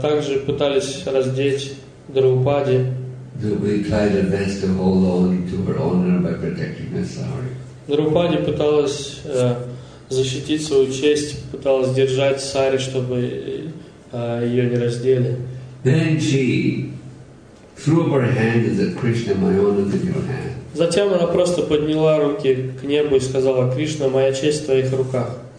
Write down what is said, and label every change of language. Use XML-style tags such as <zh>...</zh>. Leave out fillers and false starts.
<ru>Также пытались раздеть Драупади.</ru> <en>Draupadi tried her best to hold on to her honor by protecting her sari.</en> <ru>Драупади пыталась защитить свою честь, пыталась держать сари, чтобы ее не раздели.</ru> <en>Then she threw up her hand and said, "Krishna, my honor is in your hand."</en> <ru>Затем она просто подняла руки к небу и сказала: «Кришна, моя честь в твоих руках».</ru>